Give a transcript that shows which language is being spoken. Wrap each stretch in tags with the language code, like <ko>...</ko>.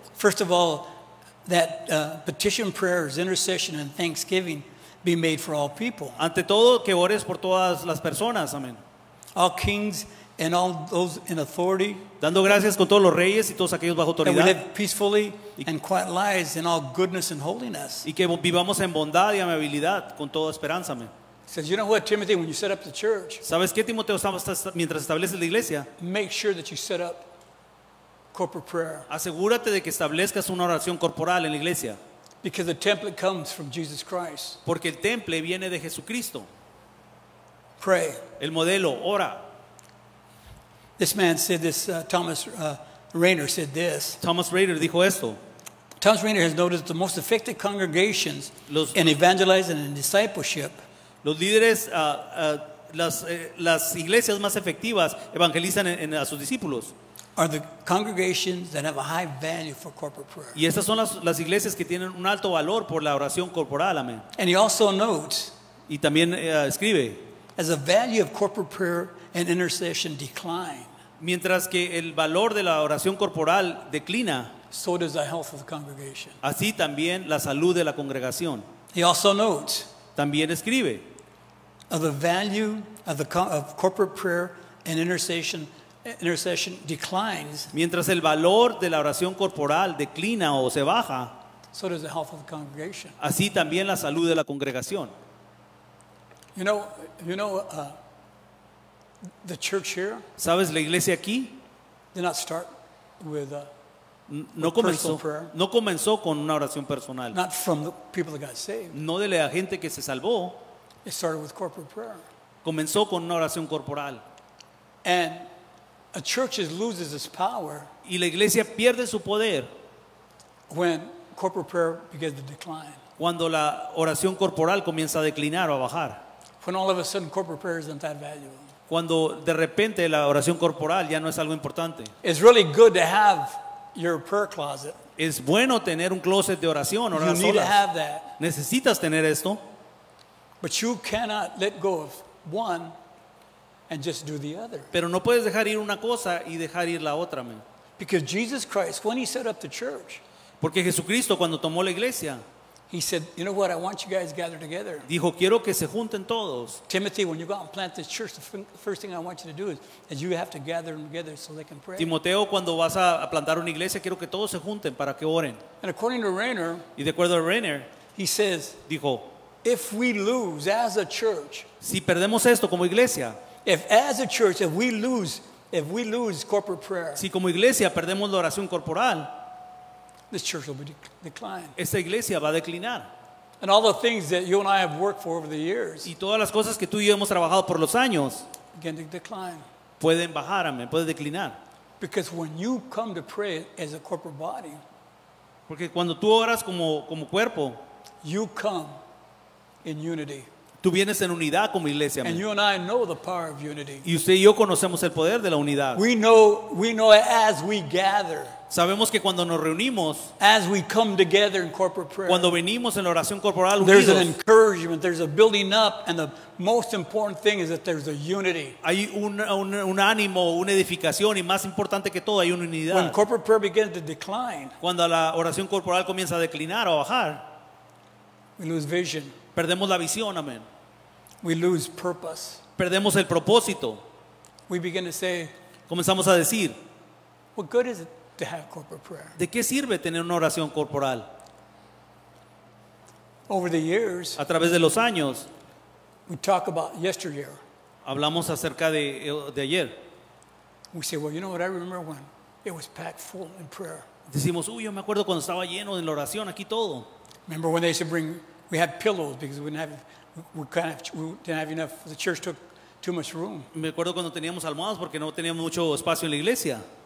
<en>First of all, that petition, prayers, intercession, and thanksgiving be made for all people.</en> <es>Ante todo, que ores por todas las personas. Amén.</es> <en>All kings and all those in authority.</en> <es>Dando gracias con todos los reyes y todos aquellos bajo autoridad.</es> <en>And we live peacefully and quiet lives in all goodness and holiness.</en> <es>Y que vivamos en bondad y amabilidad con toda esperanza. Amén.</es> <en>Says, you know what, Timothy, when you set up the church.</en> <es>¿Sabes qué, Timoteo, mientras estableces la iglesia?</es> <en>Make sure that you set up corporate prayer.</en> <es>Asegúrate de que establezcas una oración corporal en la iglesia.</es> <en>Because the temple comes from Jesus Christ.</en> <es>Porque el temple viene de Jesucristo.</es> <en>Pray.</en> <es>El modelo, ora.</es> <en>This man said this, Thomas Rainer said this.</en> <es>Thomas Rainer dijo esto.</es> <en>Thomas Rainer has noted that the most effective congregations in evangelizing and in discipleship.</en> <es>Los líderes, las iglesias más efectivas evangelizan a sus discípulos.</es> <en>Are the congregations that have a high value for corporate prayer.</en> <es>Y estas son las iglesias que tienen un alto valor por la oración corporal, amén.</es> <en>And he also notes,</en> <es>y también escribe,</es> <en>as the value of corporate prayer and intercession decline,</en> <es>mientras que el valor de la oración corporal declina,</es> <en>so does the health of the congregation.</en> <es>Así también la salud de la congregación.</es> <en>He also notes,</en> <es>también escribe,</es> <en>of the value of of corporate prayer and intercession declines,</en> <es>mientras el valor de la oración corporal declina o se baja,</es> <en>so does the health of the congregation.</en> <es>Así también la salud de la congregación.</es> <en>You know, the church here.</en> <es>¿Sabes la iglesia aquí?</es> <en>Did not start with</en> <es>No comenzó con una oración personal.</es> <en>Not from the people that got saved.</en> <es>No de la gente que se salvó.</es> <en>It started with corporate prayer.</en> <es>Comenzó con una oración corporal.</es> <en>And a church loses its power.</en> <es>Y la iglesia pierde su poder.</es> <en>When corporate prayer begins to decline.</en> <es>Cuando la oración corporal comienza a declinar o a bajar.</es> <en>When all of a sudden corporate prayer isn't that valuable.</en> <es>Cuando de repente la oración corporal ya no es algo importante.</es> <en>It's really good to have your prayer closet.</en> <es>Es bueno tener un closet de oración.</es> <en>You need</en> <es>solas.</es> <en>To have that.</en> <es>Necesitas tener esto.</es> <en>But you cannot let go of one and just do the other.</en> <es>Pero no puedes dejar ir una cosa y dejar ir la otra, man.</es> <en>Because Jesus Christ, when he set up the church,</en> <es>porque Jesucristo cuando tomó la iglesia,</es> <en>he said, you know what, I want you guys to gather together.</en> <es>Dijo, quiero que se junten todos.</es> <en>Timothy, when you go out and plant this church, the first thing I want you to do is you have to gather them together so they can pray.</en> <es>Timoteo, cuando vas a plantar una iglesia, quiero que todos se junten para que oren.</es> <en>And according to Rainer,</en> <es>y de acuerdo a Rainer,</es> <en>he says,</en> <es>dijo,</es> <en>if we lose as a church,</en> <es>si perdemos esto como iglesia,</es> <en>if as a church, if we lose corporate prayer,</en> <es>si como iglesia perdemos la oración corporal,</es> <en>this church will be declined.</en> <es>Esta iglesia va a declinar.</es> <en>And all the things that you and I have worked for over the years,</en> <es>y todas las cosas que tú y yo hemos trabajado por los años,</es> <en>begin to decline.</en> <es>Pueden bajar, amén, puede declinar.</es> <en>Because when you come to pray as a corporate body,</en> <es>porque cuando tú oras como cuerpo,</es> <en>you come in unity.</en> <es>Tú vienes en unidad como iglesia, amén.</es> <en>And you and I know the power of unity.</en> <es>Y usted y yo conocemos el poder de la unidad.</es> <en>We know as we gather.</en> <es>Sabemos que cuando nos reunimos,</es> <en>as we come together in corporate prayer,</en> <es>cuando venimos en la oración corporal,</es> <en>there's</en> <es>unidos,</es> <en>an encouragement, there's a building up, and the most important thing is that there's a unity.</en> <es>Hay un ánimo, una edificación, y más importante que todo, hay una unidad.</es> <en>When corporate prayer begins to decline,</en> <es>cuando la oración corporal comienza a declinar o a bajar,</es> <en>we lose vision.</en> <es>Perdemos la visión, amén.</es> <en>We lose purpose.</en> <es>Perdemos el propósito.</es> <en>We begin to say,</en> <es>comenzamos a decir,</es> <en>what good is it to have corporate prayer?</en> <es>¿De qué sirve tener una oración corporal?</es> <en>Over the years,</en> <es>a través de los años,</es> <en>we talk about yesteryear.</en> <es>Hablamos acerca de ayer.</es> <en>We say, well, you know what? I remember when it was packed full in prayer.</en> <es>Decimos, uy, yo me acuerdo cuando estaba lleno en la oración aquí todo.</es> <en>Remember when they used to bring? We had pillows because we didn't have enough. The church took too much room.</en> <es>Me acuerdo cuando teníamos almohadas porque no teníamos mucho espacio en la iglesia.</es>